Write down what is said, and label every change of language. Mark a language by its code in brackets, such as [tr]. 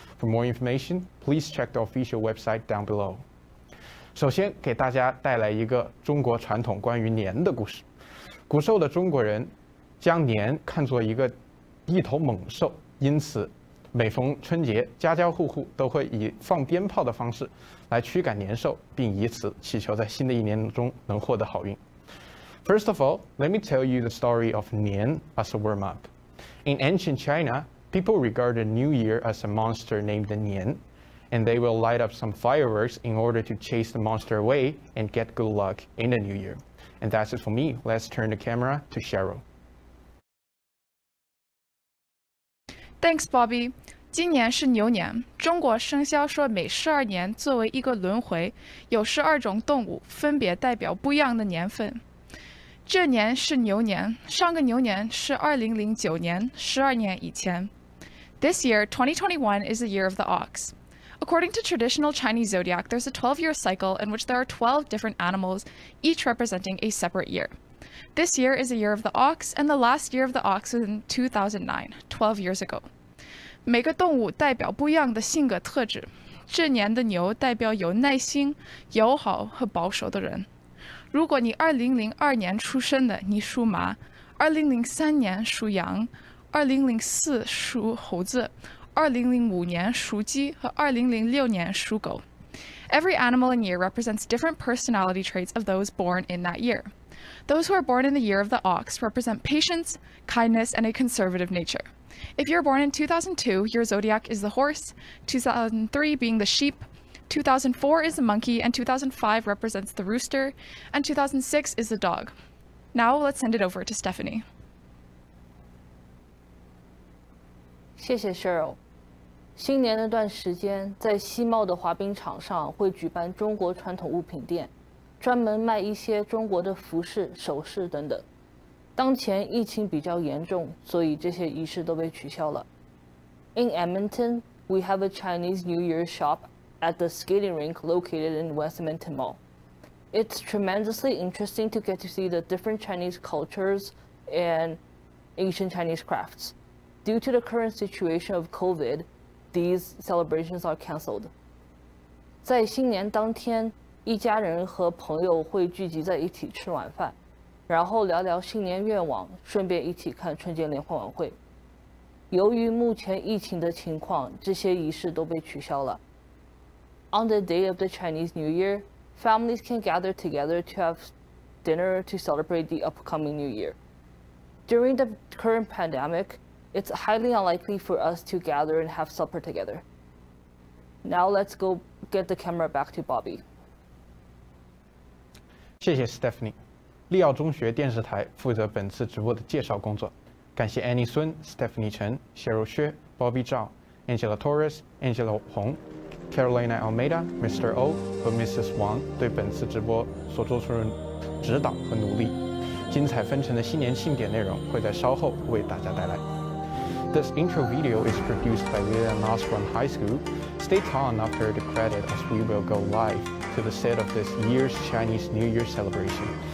[en] For more information, please check the official website down below. [zh] 首先给大家带来一个中国传统关于年的故事。古时候的中国人将年看作一个一头猛兽，因此每逢春节，家家户户都会以放鞭炮的方式来驱赶年兽，并以此祈求在新的一年中能获得好运。 [en] First of all, let me tell you the story of Nian as a warm-up. In ancient China, people regarded New Year as a monster named Nian, and they will light up some fireworks in order to chase the monster away and get good luck in the New Year. And that's it for me. Let's turn the camera to Cheryl. Thanks, Bobby. [zh] 今年是牛年，中国生肖说每十二年作为一个轮回，有十二种动物分别代表不一样的年份。这年是牛年，上个牛年是2009年，十二年以前。 [en] This year, 2021, is the year of the ox. According to traditional Chinese zodiac, there's a 12-year cycle in which there are 12 different animals, each representing a separate year. This year is the year of the ox, and the last year of the ox was in 2009, 12 years ago. [zh] 每个动物代表不一样的性格特质。这年的牛代表有耐心、友好和保守的人。如果你2002年出生的，你属马；2003年属羊；2004属猴子；2005年属鸡和2006年属狗。 [en] Every animal and year represents different personality traits of those born in that year. Those who are born in the year of the ox represent patience, kindness, and a conservative nature. If you're born in 2002, your zodiac is the horse, 2003 being the sheep, 2004 is the monkey, and 2005 represents the rooster, and 2006 is the dog. Now let's send it over to Stephanie. [zh] 谢谢 Cheryl. 新年那段时间在西贸的滑冰场上会举办中国传统物品店。专门卖一些中国的服饰、首饰等等。当前疫情比较严重，所以这些仪式都被取消了。 [en] In Edmonton, we have a Chinese New Year shop at the skating rink located in West Edmonton Mall. It's tremendously interesting to get to see the different Chinese cultures and ancient Chinese crafts. Due to the current situation of COVID, these celebrations are canceled. [zh] 在新年当天。一家人和朋友会聚集在一起吃晚饭，然后聊聊新年愿望，顺便一起看春节联欢晚会。由于目前疫情的情况，这些仪式都被取消了。 [en] On the day of the Chinese New Year, families can gather together to have dinner to celebrate the upcoming New Year. During the current pandemic, it's highly unlikely for us to gather and have supper together. Now let's go get the camera back to Bobby. [zh] 谢谢 Stephanie。利奥中学电视台负责本次直播的介绍工作，感谢 Annie Sun、Stephanie Chen、Cheryl Xue、Bobby Zhao、Angela Torres、Angela Hong、Carolina Almeida、Mr. O 和 Mrs. Wang 对本次直播所做出的指导和努力。精彩纷呈的新年庆典内容会在稍后为大家带来。 [en] This intro video is produced by Lillian Osborne High School. Stay tuned after the credit as we will go live to the set of this year's Chinese New Year celebration.